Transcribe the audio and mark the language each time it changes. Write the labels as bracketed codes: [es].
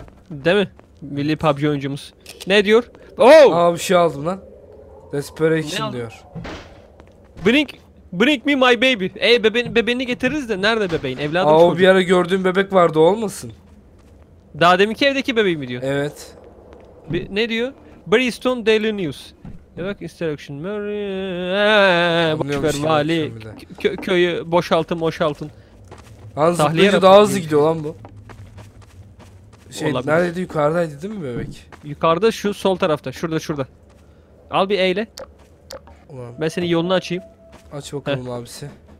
[tr] Değil mi? Milli PUBG oyuncumuz. Ne diyor? Oo! Aa, bir şey aldım lan. Desperation diyor. [en] Bring me my baby. [tr] Bebeğini getiririz de, nerede bebeğin? Evladım. Aa, o bir ara gördüğüm bebek vardı, o olmasın? Daha deminki evdeki bebeği mi diyor? Evet. Ne diyor? Bristol Daily News. Ya bak Instruction Murray. Boşver vali. Köyü boşaltın boşaltın. Yalnız tahliye bence daha hızlı gidiyor lan bu. Şey olabilir. Neredeydi, yukarıdaydı değil mi bebek? Yukarıda şu sol tarafta. Şurada şurada. Al bir eyle. Ulan. Ben senin yolunu açayım. Aç bakalım abisi.